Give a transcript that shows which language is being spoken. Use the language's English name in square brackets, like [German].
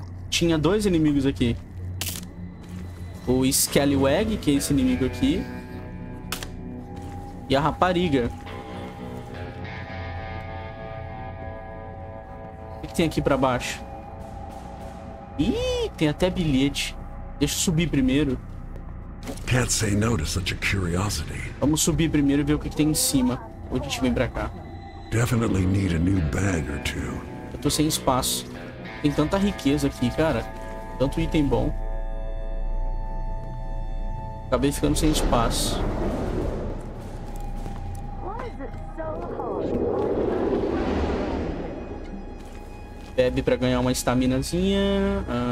[Portuguese] Tinha dois inimigos aqui. O Skellywag, que é esse inimigo aqui. E a rapariga. O que tem aqui pra baixo? Ih, tem até bilhete. Deixa eu subir primeiro. [English] Can't say no to such a curiosity. [Portuguese] Vamos subir primeiro e ver o que tem em cima. Ou a gente vem pra cá. [English] Definitely need a new bag or two. [Portuguese] Eu tô sem espaço. Tem tanta riqueza aqui, cara. Tanto item bom. Acabei ficando sem espaço. Bebe pra ganhar uma estaminazinha.